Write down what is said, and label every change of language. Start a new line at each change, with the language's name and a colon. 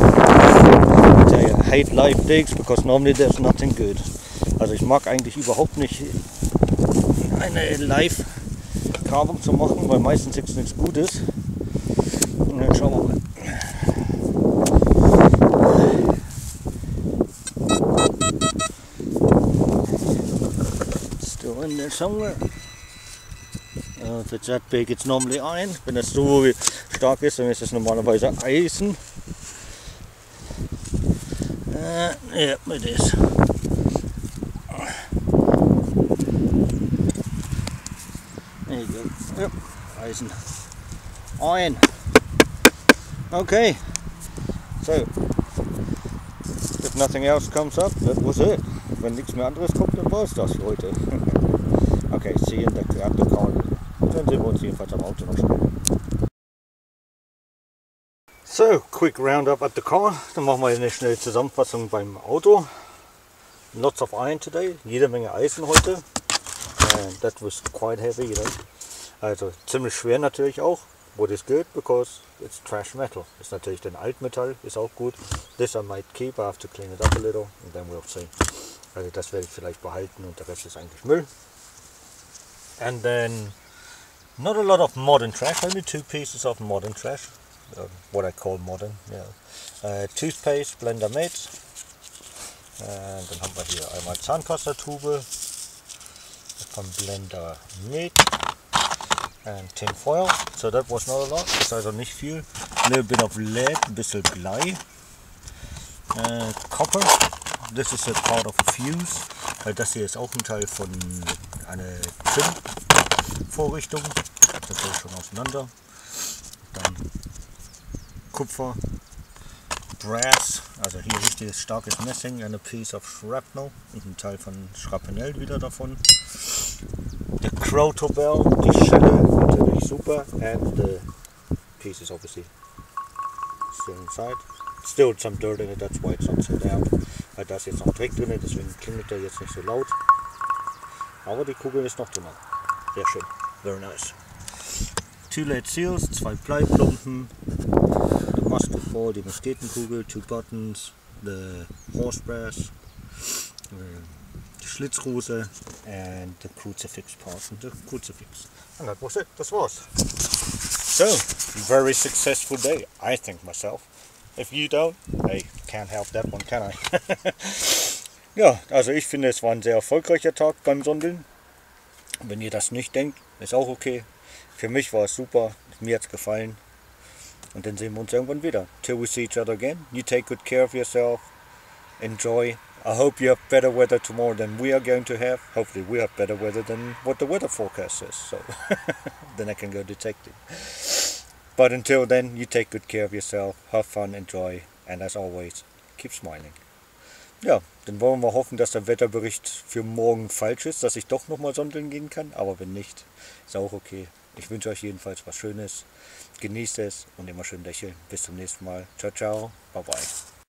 English: I hate live digs because normally there's nothing good.
German: Also ich mag eigentlich überhaupt nicht eine live Grabung zu machen, weil meistens gibt es nichts Gutes. Und dann schauen wir mal.
English: Still in there somewhere. If it's that big it's normally iron.
German: Wenn das so stark ist, dann ist es normalerweise Eisen.
English: Yep, it is. There you go. Yep, Eisen. Iron. Okay. So, if nothing else comes up, that was it.
German: Wenn nichts mehr anderes kommt, dann war es das für heute.
English: Okay, see you in the after call.
German: Dann sehen wir uns jedenfalls am Auto noch schnell.
English: So, quick roundup at the car.
German: Dann machen wir eine schnelle Zusammenfassung beim Auto.
English: Lots of iron today.
German: Jede Menge Eisen heute.
English: And that was quite heavy, you know.
German: Also ziemlich schwer natürlich auch.
English: What is good, because it's trash metal.
German: Ist natürlich den Altmetall, ist auch gut.
English: This I might keep, I have to clean it up a little. And then we'll see.
German: Also das werde ich vielleicht behalten und der Rest ist eigentlich Müll.
English: And then, not a lot of modern trash. Only two pieces of modern trash. What I call modern, yeah. Toothpaste, Blender Mate. And
German: dann haben wir hier einmal Zahnpastatube von Blender Mate.
English: And tin foil. So that was not a lot.
German: Ist also nicht viel.
English: A little bit of lead,
German: ein bisschen Blei.
English: Copper. This is a part of a fuse.
German: Das hier ist auch ein Teil von einer Trim-Vorrichtung. Das geht schon auseinander. Dann Kupfer, Brass, also hier richtiges starkes Messing,
English: and a piece of Shrapnel,
German: und ein Teil von Schrapnell wieder davon.
English: The Crowtop Bell,
German: die Schelle, natürlich super,
English: and the pieces obviously still inside. Still some dirt in it, that's why it's not so loud.
German: Weil da ist jetzt noch Dreck drin, deswegen klingelt der jetzt nicht so laut. Aber die Kugel ist noch drin. Sehr schön,
English: very nice. Two lead seals,
German: zwei Bleiplumpen.
English: Musket for the Musketenkugel, two buttons, the horse brass, the Schlitzrose, and the crucifix part of the crucifix. And that was it,
German: das war's.
English: So, very successful day, I think myself. If you don't, I can't help that one, can I?
German: Ja, also ich finde, es war ein sehr erfolgreicher Tag beim Sondeln. Wenn ihr das nicht denkt, ist auch okay. Für mich war es super, mir hat es gefallen. Und dann sehen wir uns irgendwann wieder.
English: Till we see each other again, you take good care of yourself.
German: Enjoy.
English: I hope you have better weather tomorrow than we are going to have. Hopefully we have better weather than what the weather forecast says. So then I can go detecting. But until then, you take good care of yourself. Have fun, enjoy. And as always, keep smiling.
German: Ja, dann wollen wir hoffen, dass der Wetterbericht für morgen falsch ist, dass ich doch nochmal sondeln gehen kann. Aber wenn nicht, ist auch okay. Ich wünsche euch jedenfalls was Schönes. Genießt es und immer schön lächeln. Bis zum nächsten Mal. Ciao, ciao. Bye, bye.